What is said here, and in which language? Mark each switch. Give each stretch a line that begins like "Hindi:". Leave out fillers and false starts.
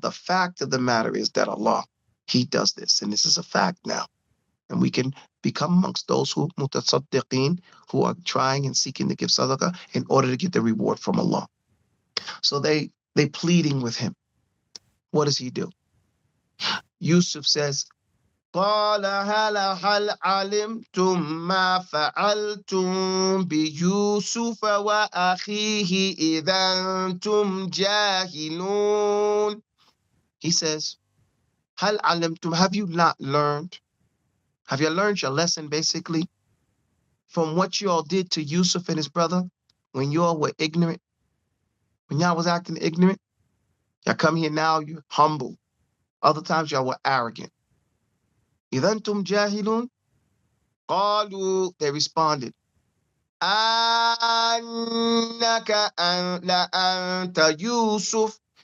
English: The fact of the matter is that Allah, he does this, and this is a fact now. And we can become amongst those who mutasaddiqin, who are trying and seeking to give sadaqah in order to get the reward from Allah. So they pleading with him. What does he do? Yusuf says,
Arabic: قال هل علمتم ما فعلتم بيوسف وأخيه إذا أنتم جاهلون.
English: He says,
Arabic: هل علمتم,
English: have you not learned? Have you learned your lesson basically from what you all did to Yusuf and his brother when you all were ignorant? When y'all was acting ignorant, y'all come here now, you're humble. Other times y'all were arrogant.
Arabic: إِذَا أَنْتُمْ جَاهِلُونَ قَالُوا,
English: they responded,
Arabic: أَإِنَّكَ لَأَنْتَ يُوسُفْ.